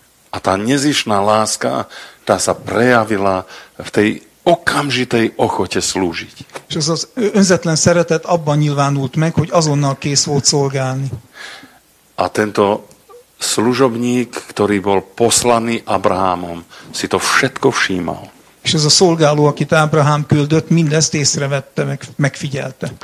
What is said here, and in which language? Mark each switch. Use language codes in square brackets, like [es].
[sk] A tá nezišná láska, tá sa prejavila v tej okamžitej ochote slúžiť. [hu] És az önzetlen szeretet abban nyilvánult meg, hogy azonnal kész volt szolgálni. [sk] A tento služobník, ktorý bol poslaný Abrahámom, si to všetko všímal. [hu] És ez a szolgáló, akit Abraham küldött, mindezt észrevette, megfigyelte.